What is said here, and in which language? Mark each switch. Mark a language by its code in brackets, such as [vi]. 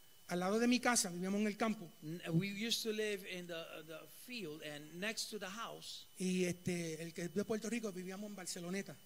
[es] Al lado de mi casa, vivíamos en el campo. [en] We used to live in the field and next to the house. [es] Y el que de Puerto Rico, vivíamos en Barceloneta.